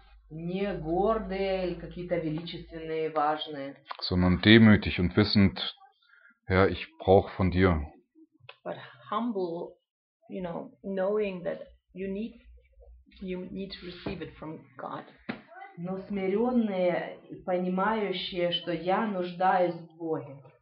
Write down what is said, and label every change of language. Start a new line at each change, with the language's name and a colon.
Russian: Не гордые или какие-то величественные, важные.
German: Sondern demütig und wissend, Herr, ich brauche von dir.
English: But humble, you know, knowing that you need to receive it from God.
Russian: Но смиренные, понимающие, что я нуждаюсь в Боге.